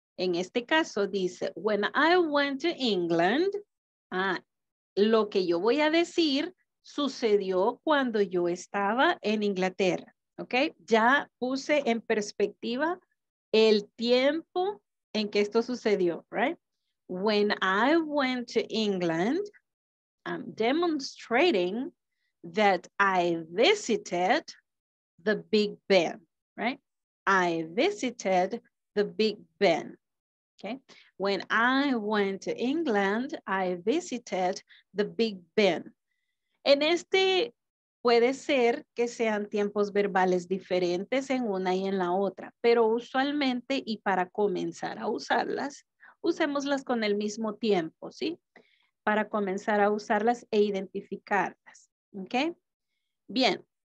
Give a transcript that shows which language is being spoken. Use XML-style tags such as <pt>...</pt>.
<es>En este caso dice,</es> <en>when I went to England,</en> <es>lo que yo voy a decir sucedió cuando yo estaba en Inglaterra, ¿ok? Ya puse en perspectiva el tiempo en que esto sucedió, right?</es> <en>When I went to England, I'm demonstrating that I visited the Big Ben, right? I visited the Big Ben, okay? When I went to England, I visited the Big Ben.</en> <es>En este puede ser que sean tiempos verbales diferentes en una y en la otra, pero usualmente y para comenzar a usarlas, usémoslas con el mismo tiempo, ¿sí? Para comenzar a usarlas e identificarlas, ¿ok? Bien.</es>